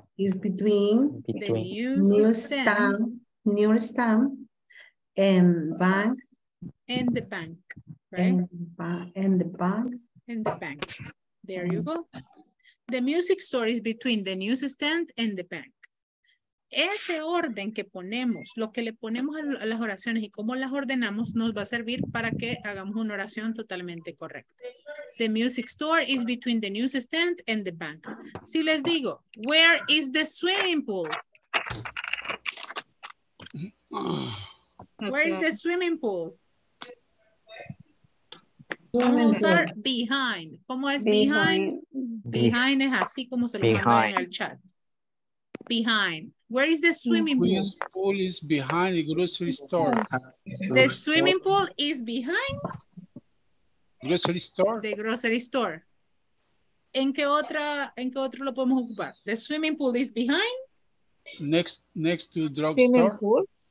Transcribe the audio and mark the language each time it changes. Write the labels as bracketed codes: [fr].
[en] Is between the newsstand. Newsstand and bank. And the bank, right? And the bank. And the bank. There you go. The music store is between the newsstand and the bank. [es] Ese orden que ponemos, lo que le ponemos a las oraciones y cómo las ordenamos, nos va a servir para que hagamos una oración totalmente correcta. [en] The music store is between the newsstand and the bank. [es] Si les digo, [en] where is the swimming pool? Where is the swimming pool? [es] Usar behind. ¿Cómo es behind? Behind es así como se lo mandan en el chat. [en] Behind. Where is the swimming pool? The swimming pool is behind the grocery store. The swimming pool is behind? Grocery store. The grocery store. [es] ¿En qué otro lo podemos ocupar? [en] The swimming pool is behind? Next to drugstore. Swimming pool.